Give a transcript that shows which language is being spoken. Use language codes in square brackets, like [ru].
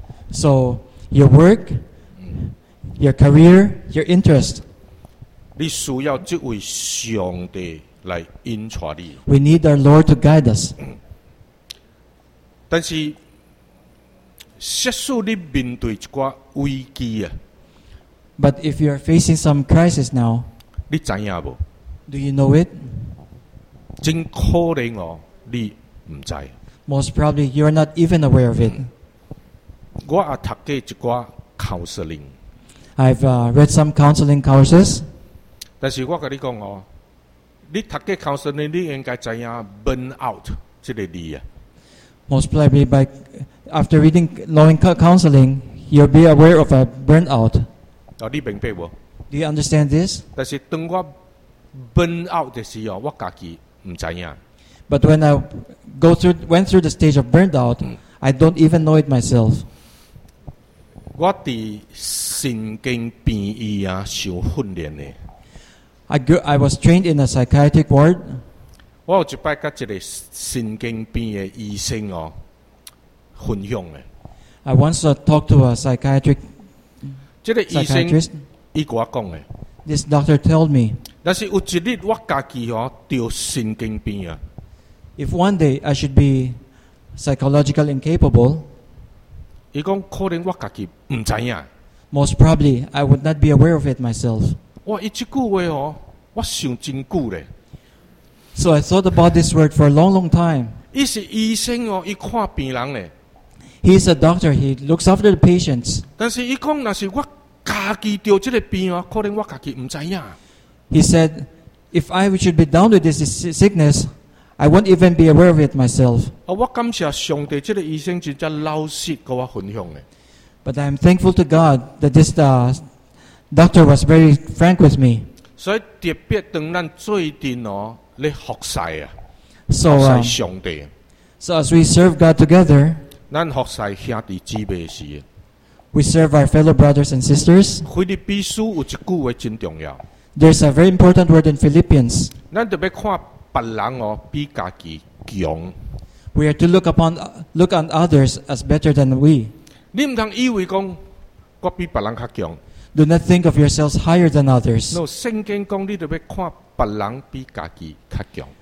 [en] So your work, your career, your interest. [nan] 你需要这位上帝来引导你。 [en] We need our Lord to guide us. [nan] 但是，即使你面对一挂危机啊。 [en] But if you are facing some crisis now, [nan] 你知影无？ [en] Do you know it? [nan] 真可怜哦，你唔知。 [en] Most probably, you are not even aware of it. [nan] 我也读过一挂 counseling. [en] I've read some counseling courses. [nan] 但是我跟你讲哦，你读过 counseling， 你应该知影 burn out 这个字啊。 [en] Most probably, by after reading long counseling, you'll be aware of a burn out. [nan] 你明白无？ [en] Do you understand this? [nan] 但是当我 burn out 的时候，我自己唔知影。 [en] But when I went through the stage of burned out,、I don't even know it myself. [nan] 我伫神经病院啊受训练呢。 [en] I was trained in a psychiatric ward. [nan] 我有一摆甲一个神经病的医生哦分享呢。 [en] I once talked to a psychiatric. [nan] 这个医生，伊跟我讲的。 [en] This doctor told me. [nan] 但是有一日，我家己哦得神经病啊。 [en] If one day I should be psychologically incapable, [nan] 伊讲可能我家己唔知影。 [en] Most probably I would not be aware of it myself. [nan] 哇，一句话哦，我想真久咧。 [en] So I thought about this word for a long, long time. [nan] 伊是医生哦，伊看病人咧。 [en] He's a doctor. He looks after the patients. [nan] 但是伊讲，那是我家己得这个病啊，可能我家己唔知影。 [en] He said, "If I should be down with this sickness, I won't even be aware of it myself." [nan] 啊，我感谢上帝，这个医生真正老实跟我分享的。 [en] But I'm thankful to God that this doctor was very frank with me. [nan] 所以特别当咱最近哦，咧服侍啊，服侍上帝。 [en] So as we serve God together. [nan] 咱服侍兄弟姊妹时 [en] ，We serve our fellow brothers and sisters. [nan] 腓立比书有一句话真重要。 [en] There's a very important word in Philippians. [nan] 咱特别看别人哦，比家己强。 [en] We are to look on others as better than we. [nan] 你唔通以为讲我比别人较强。 [en] Do not think of yourselves higher than others. [nan] No, 圣经讲你特别看别人比家己较强。